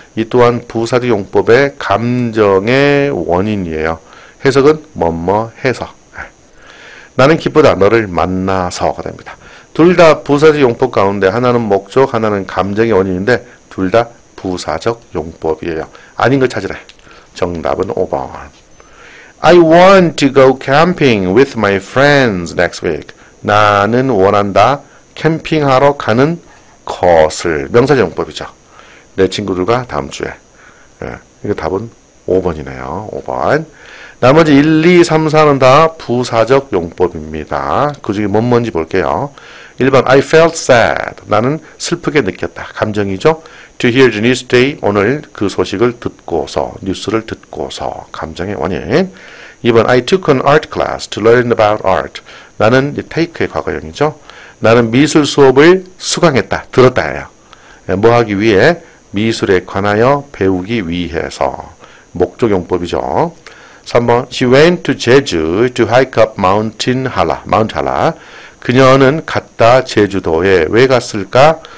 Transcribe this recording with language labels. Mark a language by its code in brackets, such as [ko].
[ko] 이 또한 부사적 용법의 감정의 원인이에요. 해석은 뭐뭐 해서. 나는 기쁘다. 너를 만나서가 됩니다. 둘 다 부사적 용법 가운데 하나는 목적, 하나는 감정의 원인인데 둘 다 부사적 용법이에요. 아닌 걸 찾으래. 정답은 5번. [en] I want to go camping with my friends next week. [ko] 나는 원한다. 캠핑하러 가는 것을. 명사정법이죠. 내 친구들과 다음 주에. 예, 이거 답은 5번이네요. 5번. 나머지 1, 2, 3, 4는 다 부사적 용법입니다. 그 중에 뭔지 볼게요. 1번. [en] I felt sad. [ko] 나는 슬프게 느꼈다. 감정이죠. [en] To hear the news today. [ko] 오늘 그 소식을 듣고서. 뉴스를 듣고서. 감정의 원인. 2번. [en] I took an art class to learn about art. [ko] 나는 take의 과거형이죠. 나는 미술 수업을 수강했다. 들었다. 뭐 하기 위해? 미술에 관하여 배우기 위해서. [en] 목적용법이죠. 3번. She went to Jeju to hike up Mountain Hala. Mount Hala. [ko] 그녀는 갔다 제주도에. 왜 갔을까?